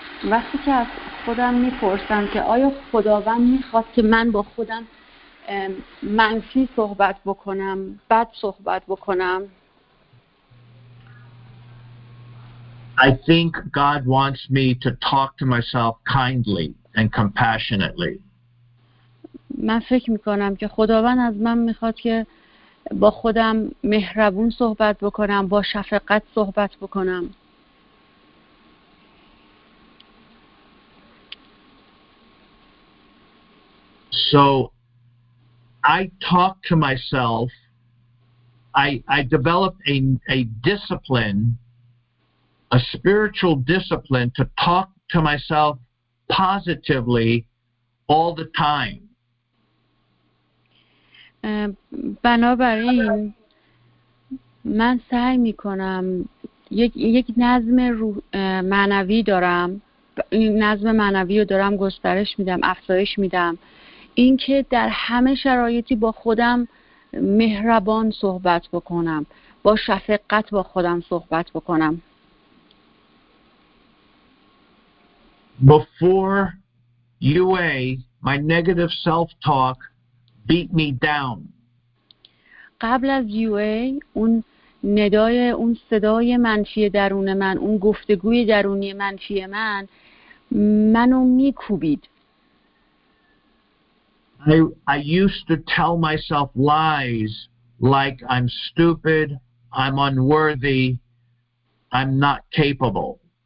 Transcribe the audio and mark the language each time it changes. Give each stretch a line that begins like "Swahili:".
Persian: وقتی که از خودم میپرسم که آیا خداوند میخواست که من با خودم منفی صحبت بکنم، بد صحبت بکنم؟
English: I think God wants me to talk to myself kindly and compassionately.
Persian: من فکر میکنم که خداوند از من میخواد که با خودم مهربون صحبت بکنم، با شفقت صحبت بکنم.
English: So I talk to myself. I developed a discipline, a spiritual discipline to talk to myself positively all the time.
Persian: بنابراین من سعی می کنم یک نظم معنوی دارم، نظم معنوی رو دارم گسترش میدم، افزایش میدم. این که در همه شرایطی با خودم مهربان صحبت بکنم، با شفقت با خودم صحبت بکنم.
English: Before UA, my negative self-talk beat me down.
Persian: قبل از UA، اون ندای، اون صدای منفی درون من، اون گفتگوی درونی منفی من، منو میکوبید.
English: I used to tell myself lies like I'm stupid, I'm unworthy, I'm not capable.